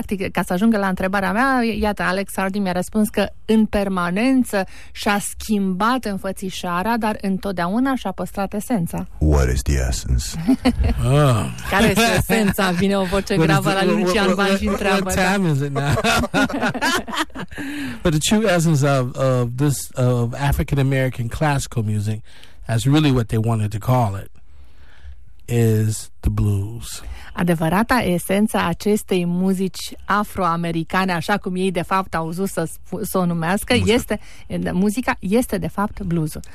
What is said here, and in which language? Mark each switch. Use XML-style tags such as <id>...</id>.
<ro>Ca să ajung la întrebarea mea, iată, Alex Harding mi-a răspuns că în permanență și-a schimbat înfățișarea, dar întotdeauna și-a păstrat esența.</ro> <en>What is the essence?</en> <ro>Care este esența? Vine o voce gravă la Lucian Ban și întreabă.</ro> <en>What time is it now? But the true essence of African American classical music, that's really what they wanted to call it, is the blues.</en> <ro>Adevărata esența acestei muzici afroamericane, așa cum ei de fapt au zis să o numească, este de fapt bluesul.</ro>